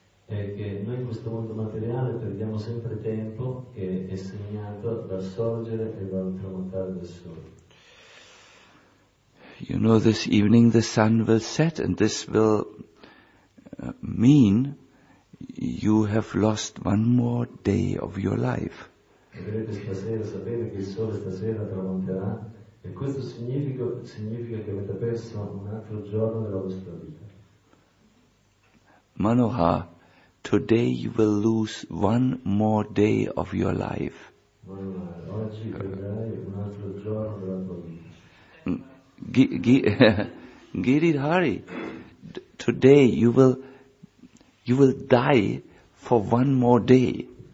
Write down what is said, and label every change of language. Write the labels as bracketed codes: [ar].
[it] è che noi in questo mondo materiale perdiamo sempre tempo che è segnato dal sorgere e dal tramontare del sole. [en] You know, this evening the sun will set, and this will mean you have lost one more day of your life. [it] Vedete, stasera, sapete che il sole stasera tramonterà, e questo significa che avete perso un altro giorno della vostra vita. [en] Manoha, today you will lose one more day of your life. [it] Manoha, oggi perderai un altro giorno della tua vita. [en] Giridhari, today you will die for one more day.